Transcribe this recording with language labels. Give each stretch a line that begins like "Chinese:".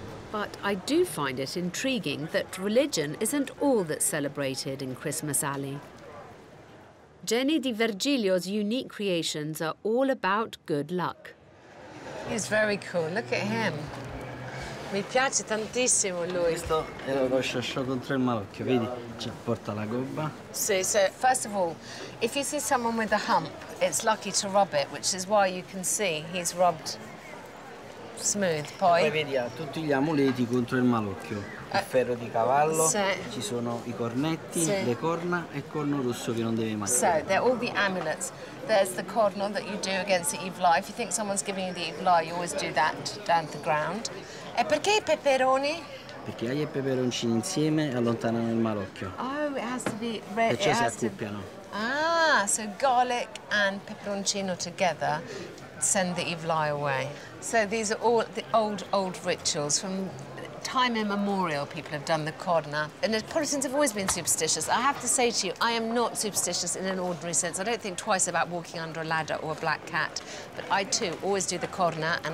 English: But I do find it intriguing that religion isn't all that's celebrated in Christmas Alley. Jenny Di Virgilio's unique creations are all about good luck. He's very cool. Look at him.
Italian: Mi piace tantissimo lui. Questo era lo sciascio contro il malocchio, vedi? Ci porta la gobba.
English: Sì, so first of all, if you see someone with a hump, it's lucky to rub it, which is why you can see he's rubbed smooth.
Italian: Poi vedi, tutti gli amuleti contro il malocchio. Il ferro di cavallo, ci sono i cornetti, le corna e il corno rosso che non deve mai.
English: So, they're all the amulets. There's the corno that you do against the evil eye. If you think someone's giving you the evil eye, you always do that down the ground.
Italian: E perché i peperoni? Perché aglio e peperoncini insieme allontanano il malocchio.
English: Oh, it has to be red.
Italian: Perciò si accoppiano.
English: Ah, so garlic and peperoncino together send the evil eye away. So these are all the old rituals from time immemorial. People have done the corna, and the Protestants have always been superstitious. I have to say to you, I am not superstitious in an ordinary sense. I don't think twice about walking under a ladder or a black cat, but I too always do the corna, and